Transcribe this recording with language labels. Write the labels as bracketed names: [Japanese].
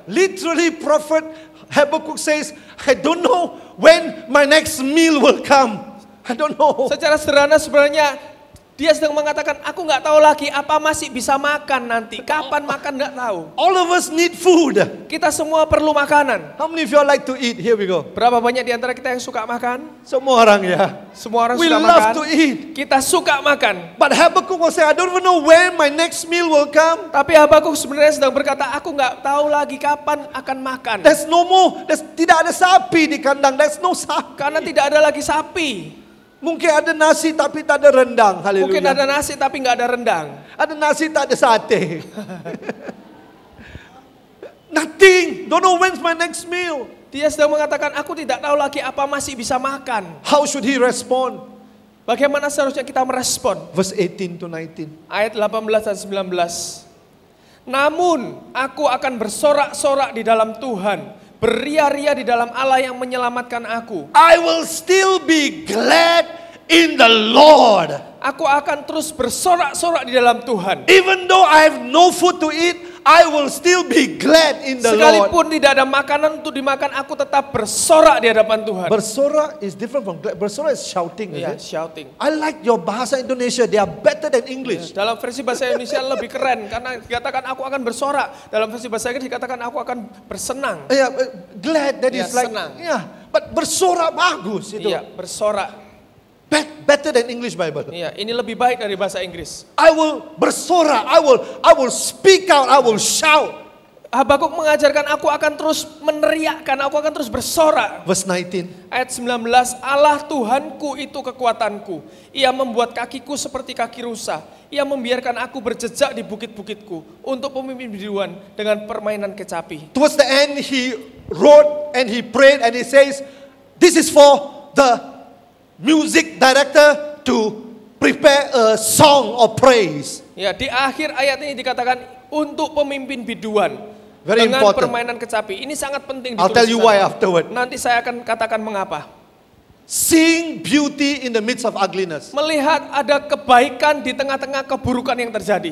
[English] Literally, Prophet Habakkuk says, I don't know when my next meal will come. I don't know. [Indonesian] Secara sederhana sebenarnya, Dia sedang mengatakan, aku enggak tahu lagi apa masih bisa makan nanti. Kapan makan enggak tahu. [English] All of us need food. [Indonesian] Kita semua perlu makanan. [English] How many of you like to eat? Here we go. [Indonesian] Berapa banyak di antara kita yang suka makan? Semua orang ya. Semua orang [English] we [Indonesian] suka makan. [English] We love to eat. [Indonesian] Kita suka makan. [English] But Habakkuk will say, I don't even know when my next meal will come. [Indonesian] Tapi Habakkuk sebenarnya sedang berkata, aku enggak tahu lagi kapan akan makan. [English] There's no more. There's [Indonesian] tidak ada sapi di kandang. [English] There's no sapi. [Indonesian] Karena tidak ada lagi sapi. Mungkin ada nasi tapi tak ada rendang. Haleluya. Mungkin ada nasi tapi enggak ada rendang. Ada nasi tak ada sate. [English] Nothing. Don't know when's my next meal. [Indonesian] Dia sedang mengatakan, aku tidak tahu lagi apa masih bisa makan. [English] How should he respond? [Indonesian] Bagaimana seharusnya kita merespon? [English] Verse 18 to 19. [Indonesian] Ayat 18 dan 19. Namun aku akan bersorak-sorak di dalam Tuhan. Beria-ria di dalam Allah yang menyelamatkan aku. [English] I will still be glad in the Lord. [Indonesian] Aku akan terus bersorak-sorak di dalam Tuhan. [English] Even though I have no food to eat, I will still be glad in the [Indonesian] Sekalipun [English] Lord. [Indonesian] Sekalipun tidak ada makanan untuk dimakan, aku tetap bersorak di hadapan Tuhan. [English] Bersorak is different from glad. Bersorak is shouting. Yeah, shouting. I like your bahasa Indonesia. They are better than English. [Indonesian] Yeah, dalam versi bahasa Indonesia lebih keren. Karena dikatakan aku akan bersorak. Dalam versi bahasa Inggris dikatakan aku akan bersenang. [English] Yeah, glad. That is like, [Indonesian] senang. [English] Yeah, but [Indonesian] bersorak bagus. Itu. Yeah, bersorak. [English] Better than English Bible. [Indonesian] Iya, ini lebih baik dari bahasa Inggris. [English] I will bersorak. I will speak out. I will shout. [Indonesian] Habakuk mengajarkan aku akan terus meneriakkan. Aku akan terus bersorak. [English] Verse 19. [Indonesian] Ayat 19. Allah Tuhanku itu kekuatanku. Ia membuat kakiku seperti kaki rusa. Ia membiarkan aku berjejak di bukit-bukitku untuk pemimpin biduan dengan permainan kecapi. [English] Towards the end, he wrote and he prayed and he says, "This is for the music director to prepare a song of praise." [Indonesian] Ya, di akhir ayat ini dikatakan untuk pemimpin biduan. [English] Very [Indonesian] dengan [English] important. [Indonesian] Permainan kecapi. Ini sangat penting. [English] I'll tell you why afterward. [Indonesian] Nanti saya akan katakan mengapa. [English] Seeing beauty in the midst of ugliness. [Indonesian] Melihat ada kebaikan di tengah-tengah keburukan yang terjadi.